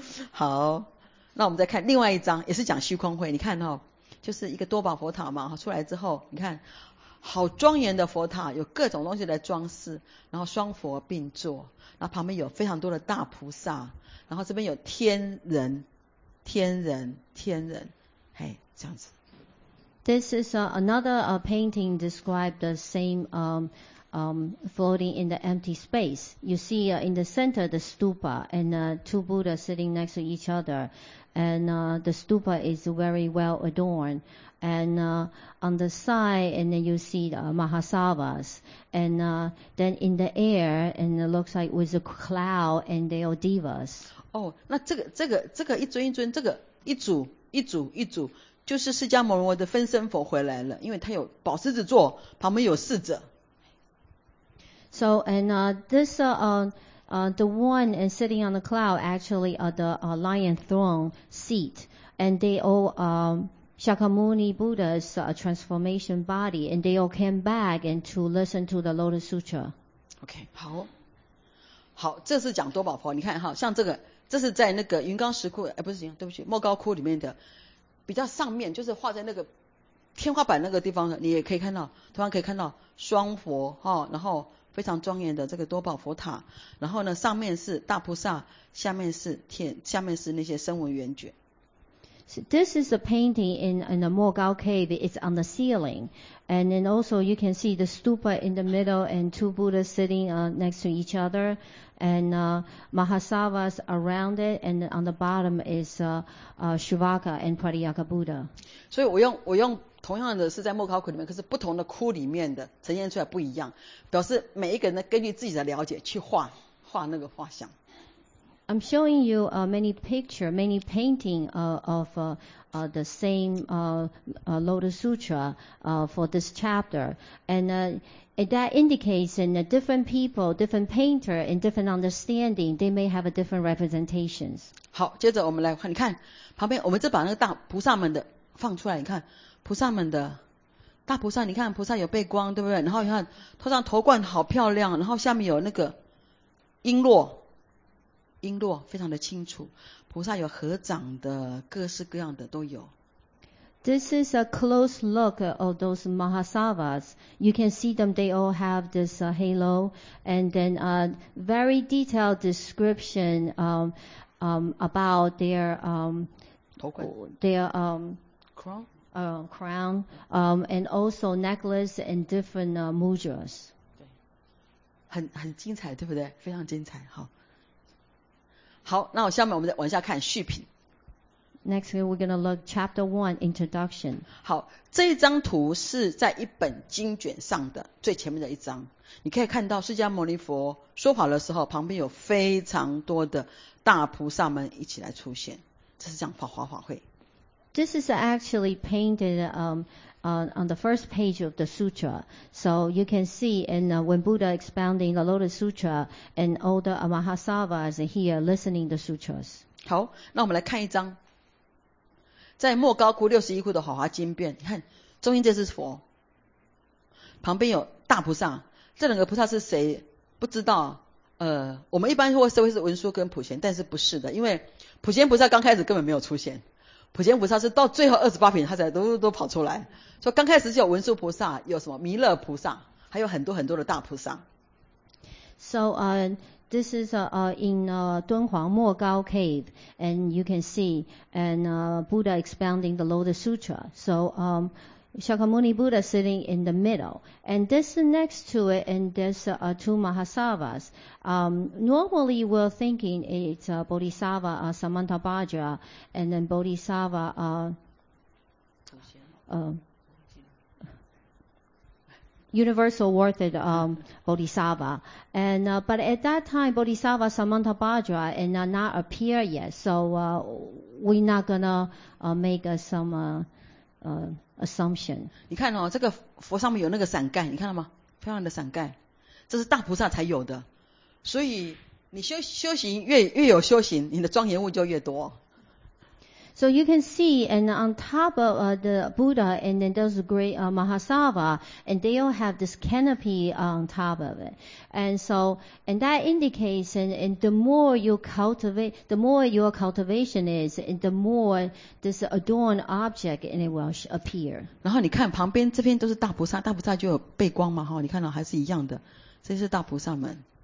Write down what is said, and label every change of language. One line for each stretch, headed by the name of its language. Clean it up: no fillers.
Chinese: 好，那我们再看另外一张，也是讲虚空会。你看哦，就是一个多宝佛塔嘛，出来之后，你看。好庄严的佛塔，有各种东西来装饰，然后双佛并坐，然后旁边有非常多的大菩萨，然后这边有天人，天人，天人，嘿，这样子。
English: This is another painting described the same floating in the empty space. You see in the center the stupa and two Buddha sitting next to each other, and the stupa is very well adorned. And, on the side, and then you see the Mahasavas. And, then in the air, and it looks like with a cloud, and they are divas.
Chinese: 哦，那这个一尊一尊，这个一组一组一组，就是释迦牟尼佛的分身佛回来了，因为他有宝狮子座，旁边有侍者。
English: So, and, this, the one and sitting on the cloud actually are the, lion throne seat, and they all, Shakyamuni Buddha's transformation body, and they all came back and to listen to the Lotus Sutra.
Chinese: Okay, 好，好，这是讲多宝佛。你看哈，像这个，这是在那个云冈石窟，哎，不是云冈，对不起，莫高窟里面的比较上面，就是画在那个天花板那个地方的，你也可以看到，同样可以看到双佛哈，然后非常庄严的这个多宝佛塔，然后呢，上面是大菩萨，下面是天，下面是那些声闻缘觉。
English: So、this is a painting in the Mogao cave. It's on the ceiling. And then also you can see the stupa in the middle and two Buddhas sitting next to each other. And Mahasavas around it. And on the bottom is Shivaka and Pratyeka Buddha.
Chinese: 所以我用同样的是在莫高窟里面，可是不同的窟里面的呈现出来不一样，表示每一个人根据自己的了解去画那个画像。
English: I'm showing you many pictures, many paintings of the same Lotus Sutra for this chapter. And that indicates in different people, different painter, and different understanding, they may have a different representations.
Chinese: 好，接着我们来看，你看旁边，我们就把那个大菩萨们的放出来。你看菩萨们的大菩萨，你看菩萨有背光，对不对？然后你看头上头冠好漂亮，然后下面有那个璎珞。璎珞非常的清楚，菩萨有合掌的，各式各样的都有。
English: This is a close look of those Mahasavas. You can see them, they all have this halo, and then a very detailed description about their crown, and also necklace and different mudras.
Chinese: 很精彩，对不对？非常精彩，好。好，那我下面我们再往下看续品。
English: Next, we're going to look chapter 1, introduction.
Chinese: 好，这一张图是在一本经卷上的最前面的一张。你可以看到释迦牟尼佛说法的时候，旁边有非常多的大菩萨们一起来出现。这是讲法会。
English: This is actually painted on the first page of the sutra. So you can see when Buddha expounding the Lotus Sutra and all the Mahasavas here listening the sutras.
Chinese: 好，那我们来看一张。在莫高窟六十一窟的华华经变，你看中间这是佛，旁边有大菩萨，这两个菩萨是谁？不知道。我们一般会是文殊跟普贤，但是不是的，因为普贤菩萨刚开始根本没有出现，普贤菩萨是到最后二十八品他才都跑出来，所以刚开始就有文殊菩萨，有什么弥勒菩萨，还有很多很多的大菩萨。
English: So, this is in Dunhuang Mo Gao Cave, and you can see, Buddha expounding the Lotus Sutra. So, Shakyamuni Buddha sitting in the middle. And this next to it, and there's two Mahasavas. Normally we're thinking it's Bodhisattva Samantabhadra, and then Bodhisattva, Universal worthed Bodhisattva. But at that time, Bodhisattva Samantabhadra and not appear yet. So we're not going to make some assumption.
Chinese: 你看哦，这个佛上面有那个伞盖，你看到吗？漂亮的伞盖，这是大菩萨才有的。所以你修行越有修行，你的庄严物就越多。
English: So you can see, and on top of the Buddha, and then those great Mahasava, and they all have this canopy on top of it. And so, and that indicates, and the more you cultivate, the more your cultivation is, and the more this adorned object, and it will appear.
Chinese: 然后你看旁边这边都是大菩萨，大菩萨就有背光嘛，你看到还是一样的，这是大菩萨们。